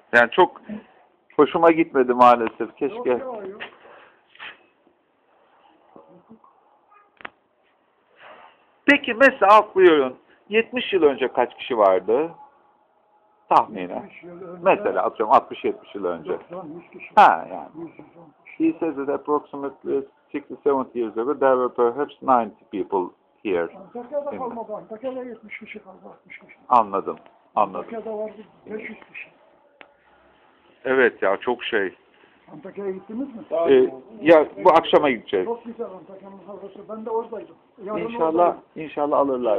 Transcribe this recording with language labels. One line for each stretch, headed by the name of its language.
Turkish: Yani çok hoşuma gitmedi maalesef. Keşke. Peki mesela atlıyorum. 70 yıl önce kaç kişi vardı? Tahmini. Mesela atıyorum 60-70 yıl önce. Ha yani.
English: He says that approximately 60-70 years ago, there were perhaps 90 people here.
Turkish: Antakya'da kalmadı. Antakya'da 70 kişi kaldı, 60 kişi. Anladım, anladım. Antakya'da vardı 500 kişi. Evet ya, çok şey. Antakya'ya gittiniz mi? Ya bu akşama gideceğiz. Çok güzel Antakya'nın havası. Ben de oradaydım. Yarın i̇nşallah, oradayım. İnşallah alırlar.